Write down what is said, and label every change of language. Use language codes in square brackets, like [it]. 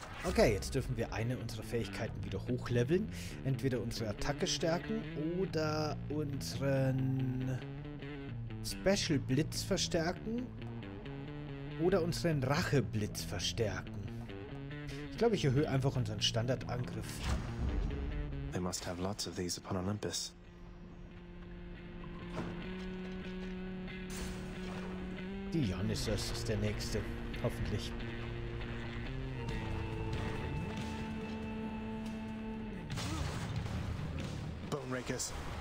[de] Okay, jetzt dürfen wir eine unserer Fähigkeiten wieder hochleveln. Entweder unsere Attacke stärken oder unseren Special Blitz verstärken oder unseren Rache Blitz verstärken. Ich glaube, ich erhöhe einfach unseren Standardangriff. [en] They must have lots of these upon Olympus. [de] Dionysos ist der nächste, hoffentlich. [en] Bone Rakers.